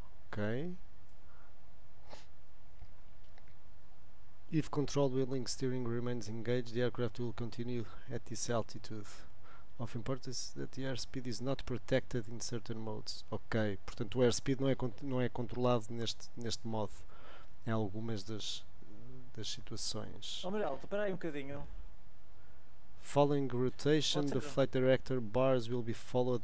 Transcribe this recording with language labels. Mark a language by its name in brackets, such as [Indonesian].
[English] Ok. If control wheel steering remains engaged, the aircraft will continue at this altitude. Of importance that the airspeed is not protected in certain modes. [Portuguese] Ok, portanto o airspeed não é controlado neste modo em algumas das situações. Almiral, espera aí um bocadinho. [English] Following rotation, the flight director bars will be followed.